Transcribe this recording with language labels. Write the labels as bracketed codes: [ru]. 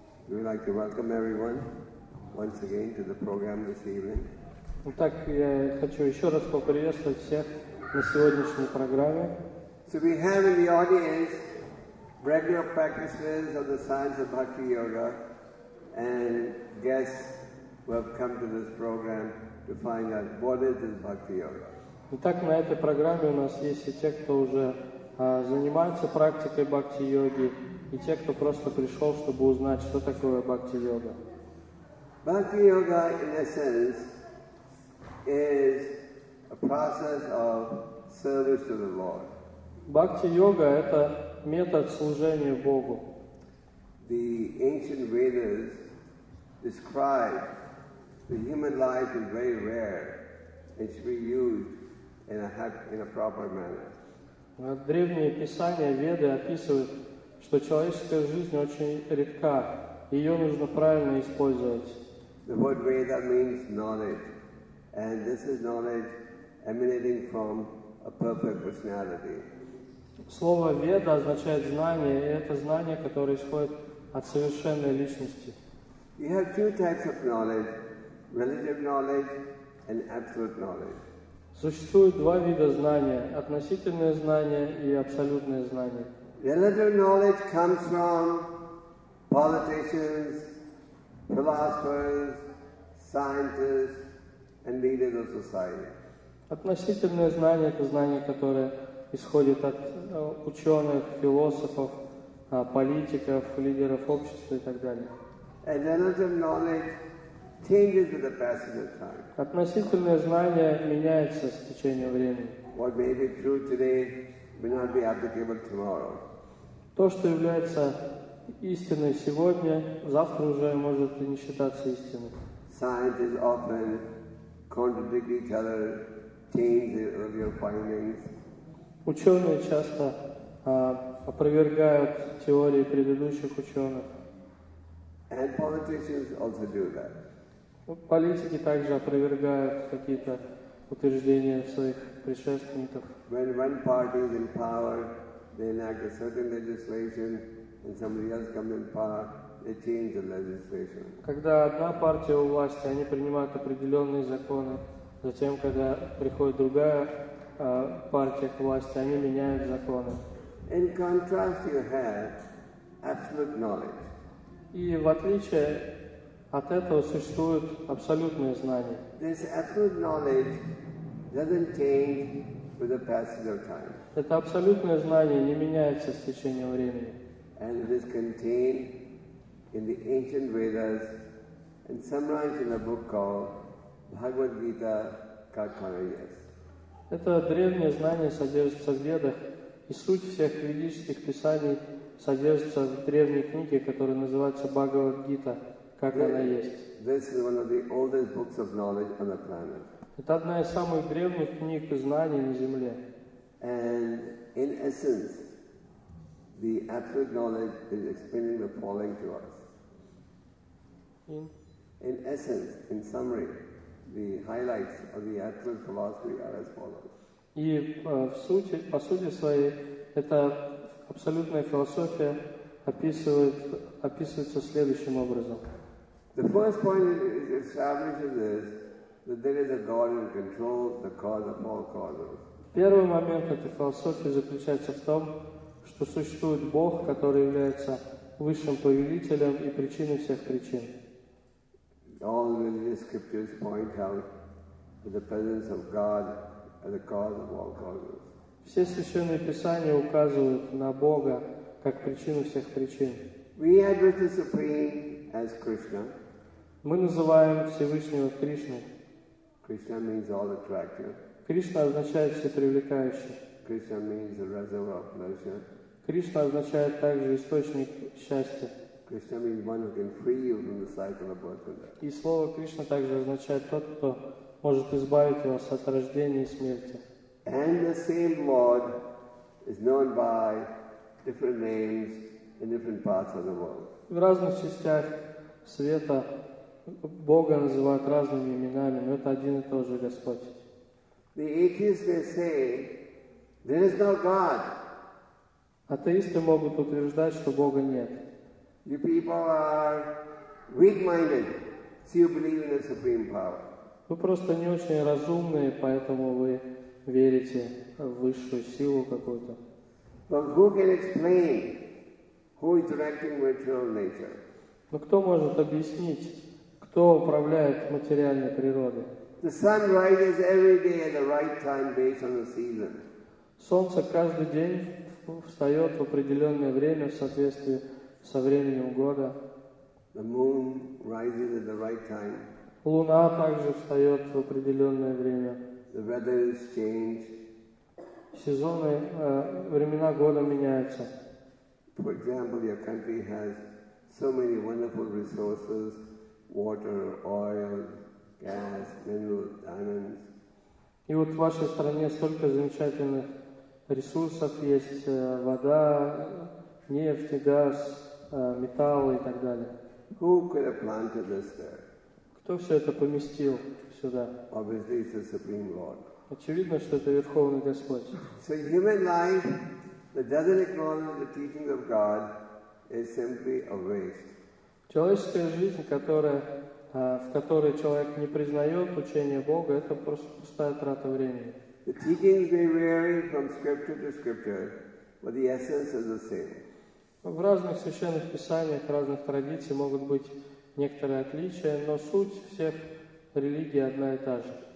[en] We'd like to welcome everyone once again to the program this evening. [ru] Так я хочу ещё раз поприветствовать всех на сегодняшней программе. [en] So we have in the audience regular practitioners of the science of Bhakti Yoga and guests who have come to this program to find out what is this Bhakti Yoga. [ru] Итак, на этой программе у нас есть и те, кто уже занимается практикой Бхакти Йоги, и те, кто просто пришел, чтобы узнать, что такое Бхакти Йога. [en] Bhakti Yoga, in essence, is a process of service to the Lord. [ru] Бхакти Йога – это метод служения Богу. [en] The ancient Vedas describe the human life is very rare and should be used in a proper manner. [ru] Древние писания, Веды описывают, что человеческая жизнь очень редка, ее нужно правильно использовать. [en] The word Veda means knowledge, and this is knowledge emanating from a perfect personality. [ru] Слово Веда означает знание, и это знание, которое исходит от совершенной личности. [en] You have two types of knowledge: relative knowledge and absolute knowledge. [ru] Существует два вида знания: относительное знание и абсолютное знание. [en] Relative knowledge comes from politicians, philosophers, scientists, and leaders of society. [ru] Относительное знание — это знание, которое исходит от ученых, философов, политиков, лидеров общества и так далее. [en] And relative knowledge changes with the passage of time. [ru] Относительное знание меняется с течением времени. [en] What may be true today may not be applicable tomorrow. [ru] То, что является истиной сегодня, завтра уже может и не считаться истиной. [en] Scientists often contradict each other, change their earlier findings. [ru] Ученые часто опровергают теории предыдущих ученых. [en] And politicians also do that. [ru] Политики также опровергают какие-то утверждения своих предшественников. [en] When one party is in power, they enact a certain legislation, and somebody else comes in power, they change the legislation. [ru] Когда одна партия у власти, они принимают определенные законы. Затем, когда приходит другая партия к власти, они меняют законы. [en] In contrast, you have absolute knowledge. [ru] И в отличие от этого существует абсолютное знание. [en] This absolute knowledge doesn't change with the passage of time. [ru] Это абсолютное знание не меняется с течением времени. [en] And it is contained in the ancient Vedas and summarized in a book called Bhagavad Gita Katkarayas. [ru] Это древнее знание содержится в Ведах, и суть всех ведических писаний содержится в древней книге, которая называется Бхагавад Гита, как она есть. [en] This is one of the oldest books of knowledge on the planet. [ru] Это одна из самых древних книг знаний на Земле. [en] And in essence, the absolute knowledge is explaining the following to us. In essence, in summary, the highlights of the absolute philosophy are as follows. [ru] И по сути своей, это абсолютная философия описывается следующим образом. [en] The first point it establishes is that there is a God who controls the cause of all causes. [ru] Первый момент этой философии заключается в том, что существует Бог, который является высшим повелителем и причиной всех причин. [en] All religious scriptures point out that the presence of God as the cause of all causes. [ru] Все священные писания указывают на Бога как причину всех причин. [en] We address the Supreme as Krishna. [ru] Мы называем Всевышнего Кришной. [en] Krishna means all attractive. [ru] Кришна означает всепривлекающий. [en] Krishna means the reservoir of pleasure. [ru] Кришна означает также источник счастья. [en] Krishna means one who can free you from the cycle of birth and death. [ru] И слово Кришна также означает тот, кто может избавить вас от рождения и смерти. [en] And the same Lord is known by different names in different parts of the world. [ru] В разных частях света Бога называют разными именами, но это один и тот же Господь. [en] The atheists may say, there is no God. [ru] Атеисты могут утверждать, что Бога нет. [en] You people are weak-minded, so you believe in the supreme power. [ru] Вы просто не очень разумные, поэтому вы верите в высшую силу какую-то. [en] But who can explain who is directing material nature? [ru] Но кто может объяснить, кто управляет материальной природой? [en] The sun rises every day at the right time based on the season. [ru] Солнце каждый день встает в определенное время в соответствии со временем года. [en] The moon rises at the right time. [ru] Луна также встает в определенное время. [en] The weather is changed. [ru] Сезоны, времена года меняются. [en] For example, your country has so many wonderful resources: water, oil, gas, minerals, diamonds. [ru] И вот в вашей стране столько замечательных ресурсов есть: вода, нефть, газ, металлы и так далее. [en] Who could have planted this there? [ru] Кто все это поместил сюда? [en] Obviously, it's the Supreme Lord. [ru] Очевидно, что это Верховный Господь. [en] So human life that doesn't acknowledge the teaching of God is simply a waste. [ru] Человеческая жизнь, которая, в которой человек не признает учение Бога, это просто пустая трата времени. [en] The teachings may vary from scripture to scripture, but the essence is the same. [ru] В разных священных писаниях, разных традициях могут быть некоторые отличия, но суть всех религий одна и та же.